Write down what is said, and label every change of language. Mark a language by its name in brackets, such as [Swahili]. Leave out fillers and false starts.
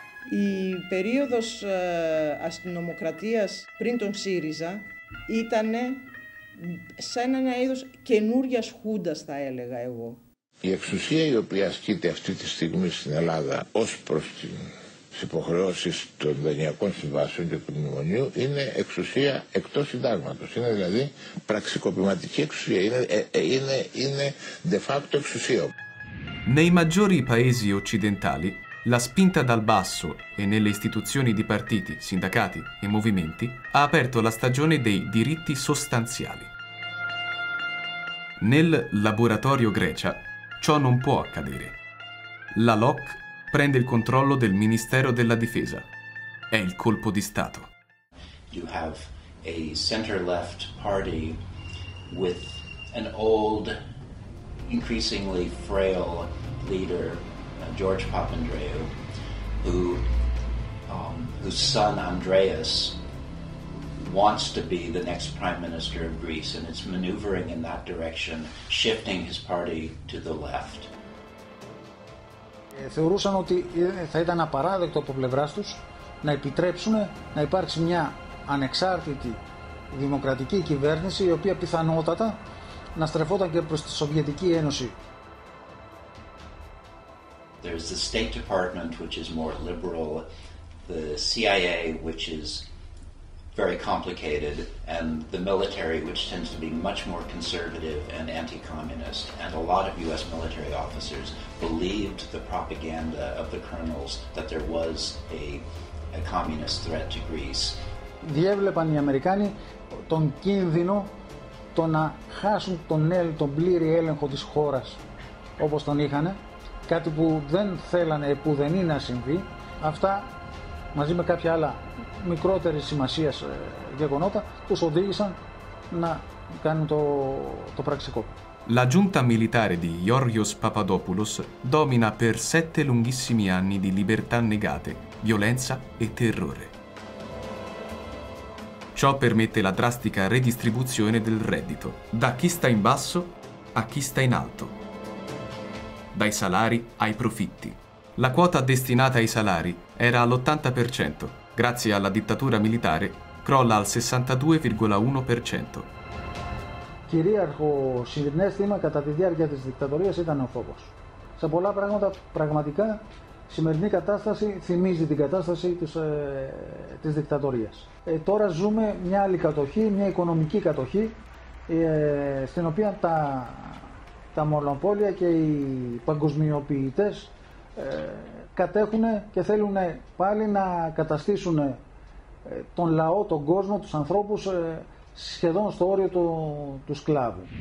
[Greek] Η περίοδος αστυνομοκρατίας πριν τον ΣΥΡΙΖΑ ήτανε σαν ένα είδος καινούριας χούντας, θα έλεγα εγώ. Η εξουσία η οποία ασκείται αυτή τη στιγμή στην Ελλάδα ως προς τις υποχρεώσεις των δανειακών συμβάσεων και του μνημονίου είναι εξουσία εκτός συντάγματος. Είναι δηλαδή πραξικοπηματική εξουσία. Είναι de facto εξουσία. [Italian] Nei maggiori paesi occidentali, la spinta dal basso e nelle istituzioni di partiti, sindacati e movimenti ha aperto la stagione dei diritti sostanziali. Nel laboratorio Grecia ciò non può accadere. La LOC prende il controllo del Ministero della Difesa. È il colpo di Stato. [English] You have a center-left party with an old, increasingly frail leader, George Papandreou, whose son Andreas wants to be the next prime minister of Greece, and it's maneuvering in that direction, shifting his party to the left. [Greek] Θεωρούσαν ότι θα ήταν απαράδεκτο από πλευράς τους να επιτρέψουν να υπάρξει μια ανεξάρτητη δημοκρατική κυβέρνηση η οποία πιθανότατα να στρεφόταν και προς τη Σοβιετική Ένωση. [English] There's the State Department, which is more liberal, the CIA, which is very complicated, and the military, which tends to be much more conservative and anti-communist. And a lot of U.S. military officers believed the propaganda of the colonels that there was a communist threat to Greece. [Greek] Διέβλεπαν οι Αμερικάνοι τον κίνδυνο το να χάσουν τον πλήρη έλεγχο της χώρας όπως τον είχανε. Κάτι που δεν θέλανε, που δεν είναι να συμβεί, αυτά μαζί με κάποια άλλα μικρότερη σημασία γεγονότα, τους οδήγησαν να κάνουν το πραξικόπημα. [Italian] La giunta militare di Georgios Papadopoulos domina per 7 lunghissimi anni di libertà negate, violenza e terrore. Ciò permette la drastica redistribuzione del reddito, da chi sta in basso a chi sta in alto. Dai salari ai profitti. La quota destinata ai salari era all'80%, grazie alla dittatura militare crolla al 62,1%. [Greek] Κυρίαρχο συνέστημα κατά τη διάρκεια της δικτατορίας ήταν ο φόβος. Σε πολλά πράγματα, πραγματικά, η σημερινή κατάσταση θυμίζει την κατάσταση της δικτατορίας. Τώρα ζούμε μια άλλη κατοχή, μια οικονομική κατοχή, στην οποία τα μονοπόλια και οι παγκοσμιοποιητές κατέχουν και θέλουν πάλι να καταστήσουν τον λαό, τον κόσμο, τους ανθρώπους, σχεδόν στο όριο του σκλάβου.